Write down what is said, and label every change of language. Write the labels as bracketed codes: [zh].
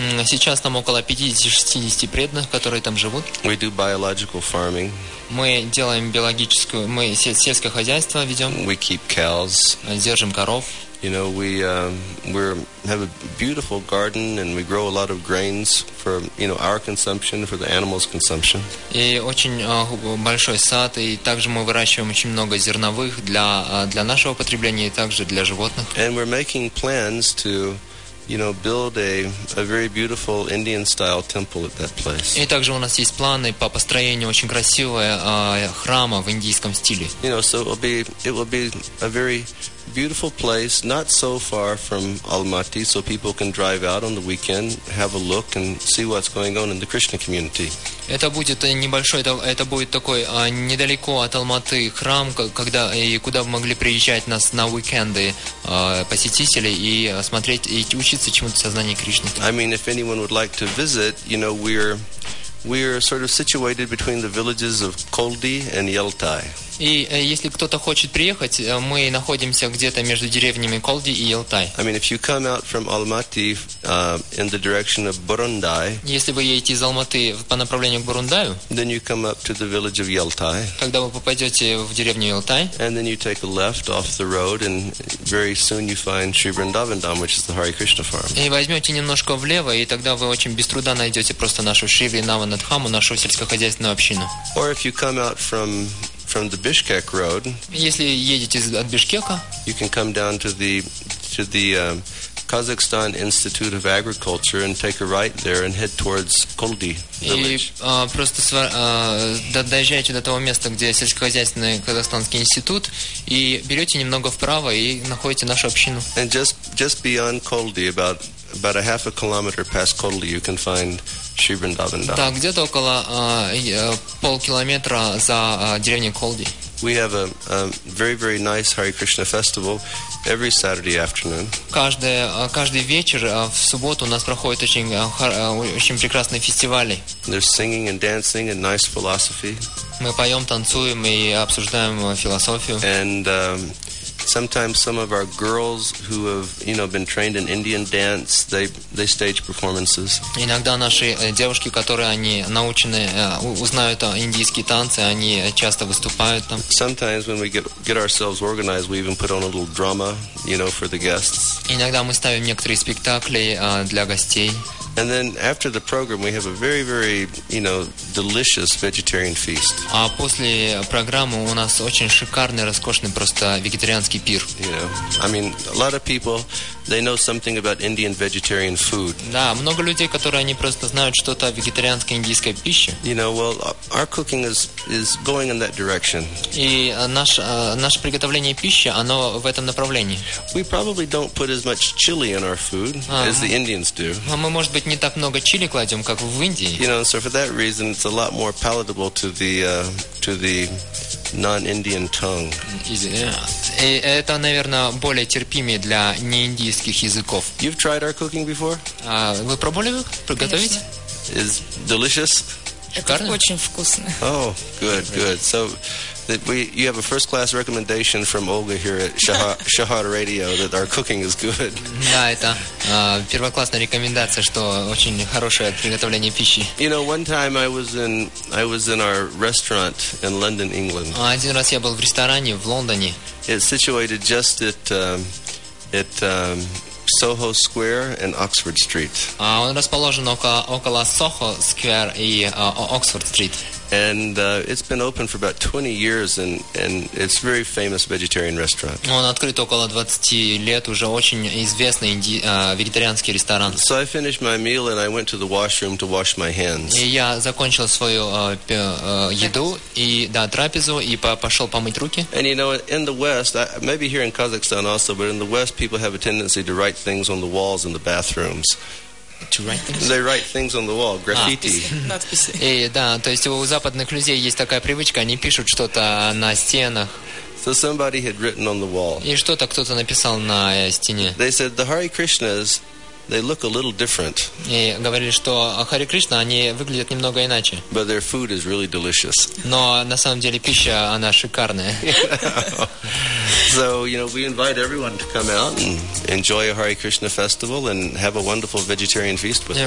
[ru] Сейчас там около 50-60 преданных, которые там живут. [en] We do biological farming. [ru] Мы делаем биологическую, мы сельское хозяйство ведем. [en] We keep cows. [ru] Держим коров. [en] You know, we have a beautiful garden and we grow a lot of grains for, you know, our consumption, for the animals' consumption. [ru] И очень большой сад, и также мы выращиваем очень много зерновых для нашего потребления и также для животных. [en] And we're making plans to, you know, build a very beautiful Indian-style temple at that place. [ru] И также у нас есть планы по построению очень красивого храма в индийском стиле. [en] You know, so it will be a very beautiful place, not so far from Almaty, so people can drive out on the weekend, have a look and see what's going on in the Krishna community. [ru] Это будет небольшой, это будет такой недалеко от Алматы храм, когда и куда бы могли приезжать нас на уикенды посетители и смотреть и учиться чему-то сознание Кришны. [en] I mean, if anyone would like to visit, you know, we're sort of situated between the villages of Koldi and Yeltai. [ru] И если кто-то хочет приехать, мы находимся где-то между деревнями Колди и Елтай. [en] I mean, if you come out from Almaty in the direction of Burundi. [ru] Если вы едете из Алматы по направлению к Бурундаю, [en] then you come up to the village of Yeltai. [ru] Когда вы попадете в деревню Елтай, [en] and then you take a left off the road, and very soon you find Sri Vrindavan Dham, which is the Hare Krishna farm. [ru] И возьмете немножко влево, и тогда вы очень без труда найдете просто нашу Шри Вриндаван Дхаму, нашу сельскохозяйственную общину. [en] Or if you come out from the Bishkek road. [ru] Если едете от Бишкека, [en] you can come down to the Kazakhstan Institute of Agriculture and take a right there and head towards Koldi village. [ru] Или просто доезжаете до того места, где сельскохозяйственный казахстанский институт, и берете немного вправо и находите нашу общину. [en] And just beyond Koldi, about a half a kilometer past Koldi, you can find Shri Vrindavan Dham. [ru] Да, где-то около полкилометра за деревней Колди. [en] We have a very, very nice Hare Krishna festival every Saturday afternoon. [ru] Каждый вечер в субботу у нас проходит очень прекрасные фестивали. [en] There's singing and dancing and nice philosophy. [ru] Мы поем, танцуем и обсуждаем философию. [en] Sometimes some of our girls who have, you know, been trained in Indian dance, they stage performances. [ru] Иногда наши девушки, которые они научены, узнают индийские танцы, они часто выступают там. [en] Sometimes when we get ourselves organized, we even put on a little drama, you know, for the guests. [ru] Иногда мы ставим некоторые спектакли для гостей. [en] And then after the program, we have a very, very, you know, delicious vegetarian feast. [ru] А после программы у нас очень шикарный, роскошный просто вегетарианский пир. [en] Yeah, I mean, a lot of people, they know something about Indian vegetarian food. [ru] Да, много людей, которые они просто знают что-то о вегетарианской индийской пище. [en] You know, well, our cooking is going in that direction. [ru] И наше приготовление пищи, оно в этом направлении. [en] We probably don't put as much chili in our food as the Indians do. [ru] Мы, может быть, не так много чили кладем, как в Индии. [en] You know, so for that reason, it's a lot more palatable to the non-Indian tongue. [ru] И это, наверное, более терпимее для неиндийских языков. [en] You've tried our cooking before? [ru] Вы пробовали его приготовить? Конечно. [en] It's delicious. [ru] Шикарно. Это очень вкусно. [en] Oh, good, good. So that you have a first class recommendation from Olga here at Shahar Radio that our cooking is good. [ru] Да, это первоклассная рекомендация, что очень хорошее приготовление пищи. [en] You know, one time I was in our restaurant in London, England. [ru] Один раз я был в ресторане в Лондоне. [en] It's situated just at Soho Square and Oxford Street. [ru] Он расположен около Soho Square и Oxford Street. [en] And it's been open for about 20 years and it's a very famous vegetarian restaurant. [ru] Он открыт около 20 лет, уже очень известный вегетарианский ресторан. [en] So I finished my meal and I went to the washroom to wash my hands. [ru] И я закончил свою еду и да, трапезу и пошел помыть руки. [en] And you know, in the West, maybe here in Kazakhstan also, but in the West people have a tendency to write things on the walls in the bathrooms. To write things. They write things on the wall, graffiti. [ru] И да, то есть у западных людей есть такая привычка, они пишут что-то на стенах. [en] So somebody had written on the wall. [ru] И что-то кто-то написал на стене. [en] They said the Hare Krishnas they look a little different. [ru] И говорили, что Харе Кришна, они выглядят немного иначе. [en] But their food is really delicious. [ru] Но на самом деле пища, она шикарная. [en] So, you know, we invite everyone to come out and enjoy a Hare Krishna festival and have a wonderful vegetarian feast with us.